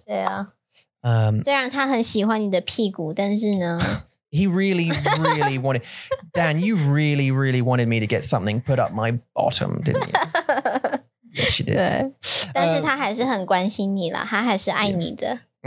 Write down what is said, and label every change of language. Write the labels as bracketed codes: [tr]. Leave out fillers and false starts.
[zh] 对啊。虽然他很喜欢你的屁股，但是呢。 [en] He really, really wanted... Dan, you really, really wanted me to get something put up my bottom, didn't you? Yes, you did. [zh] 但是他还是很关心你了,他还是爱你的。